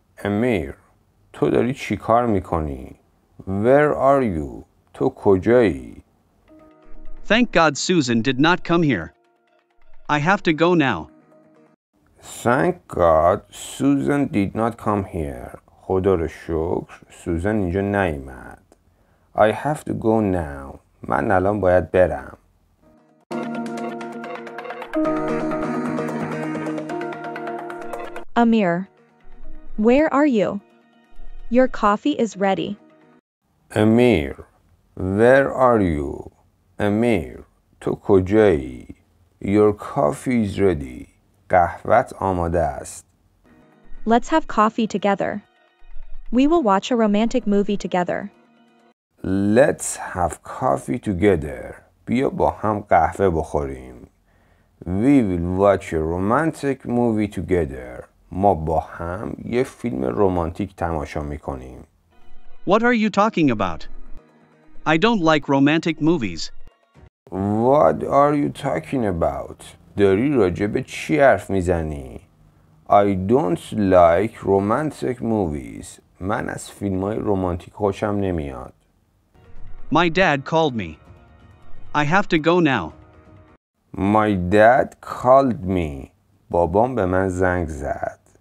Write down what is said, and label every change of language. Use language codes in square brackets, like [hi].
[fa] Amir, تو داری چی کار میکنی؟ [en] Where are you? [fa] تو کجایی؟ [en] Thank God Susan did not come here. I have to go now. Thank God Susan did not come here. [fa] خدا رو شکر سوزن اینجا نیومد. [en] I have to go now. [fa] من الان باید برم. [en] Amir, where are you? Your coffee is ready. Amir, where are you? Amir, [fa] تو کجایی؟ [en] Your coffee is ready. [fa] قهوه‌ت آماده است. [en] Let's have coffee together. We will watch a romantic movie together. Let's have coffee together. [fa] بیا با هم قهوه بخوریم. [en] We will watch a romantic movie together. [fa] ما با هم یه فیلم رمانتیک تماشا میکنیم. [en] What are you talking about? I don't like romantic movies. What are you talking about? [fa] داری راجع به چی حرف میزنی؟ [en] I don't like romantic movies. [fa] من از فیلمهای رمانتیک خوشم نمیاد. [en] My dad called me. I have to go now. My dad called me. [fa] بابام به من زنگ زد.